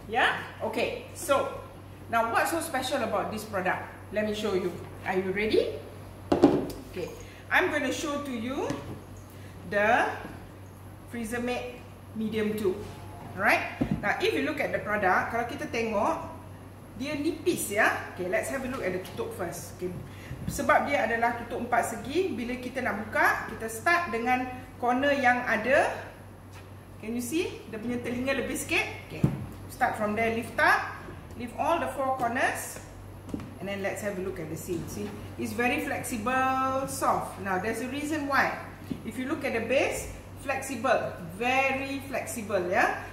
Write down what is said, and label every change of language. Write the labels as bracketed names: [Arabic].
[English] Yeah, okay, so now what's so special about this product? Let me show you. Are you ready? Okay, I'm going to show to you the freezer mate medium 2. Alright, now if you look at the product, [Malay] kalau kita tengok, dia nipis ya. [English] Okay, let's have a look at the tutup first. [Malay] Okay, sebab dia adalah tutup 4 segi, bila kita nak buka, kita start dengan corner yang ada. [English] Can you see? [Malay] Dia punya telinga lebih sikit. [English] Okay, start from there, lift up, lift all the 4 corners, and then let's have a look at the seam. See, it's very flexible, soft. Now there's a reason why. If you look at the base, flexible, very flexible ya.